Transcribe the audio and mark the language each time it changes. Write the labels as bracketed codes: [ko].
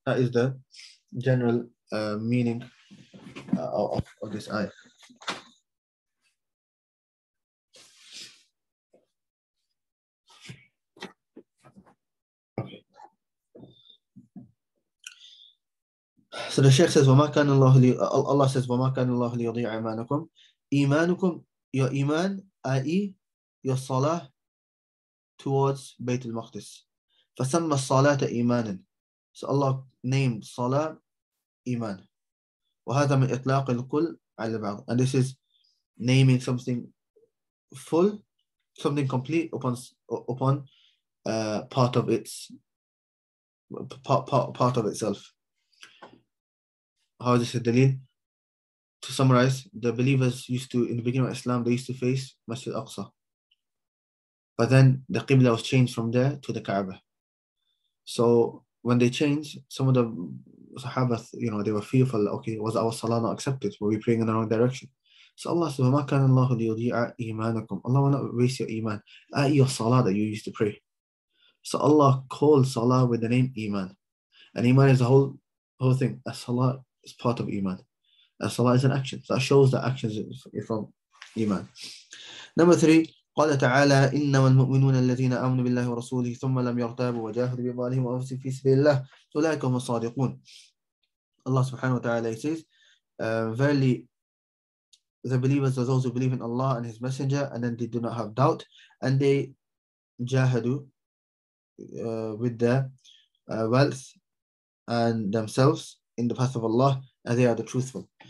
[en] That is the general meaning of this ayah. So the Sheikh says, [ar] وَمَا كَانَ اللَّهُ لِي... [en] Allah says, [ar] وَمَا كَانَ اللَّهُ لِيُضِيعَ إِيمَانَكُمْ إِيمَانُكُمْ [en] Your iman, i.e. your salah towards Bayt al-Maqdis. [ar] فَسَمَّ الصَّلَاةَ إِيمَانًا [en] So Allah named salah iman. [ar] وَهَذَا مِنْ إِطْلَاقِ الْكُلِّ عَلَى الْبَعْضِ [en] And this is naming something full, something complete upon part of its part of itself. How is this a dalil? To summarize, the believers used to, in the beginning of Islam, they used to face Masjid al-Aqsa. But then the Qibla was changed from there to the Kaaba. So when they changed, some of the Sahaba, you know, they were fearful, okay, was our Salah not accepted? Were we praying in the wrong direction? So Allah said, [ar] وَمَا كَانَ اللَّهُ لِيُضِيعَ إِيمَانَكُمْ [en] Allah will not waste your iman. At your Salah that you used to pray. So Allah called Salah with the name Iman. And Iman is the whole thing. A Salah is part of Iman. And Salah is an action. So that shows that actions are from Iman. Number three, [ar] قال تعالى إنما المؤمنون الذين آمنوا بالله ورسوله ثم لم يرتابوا وجاهدوا بأموالهم وأنفسهم في سبيل الله أولئك هم الصادقون. [en] Allah subhanahu wa ta'ala says, verily, the believers are those who believe in Allah and His Messenger and then they do not have doubt and they jahadu with their wealth and themselves in the path of Allah and they are the truthful.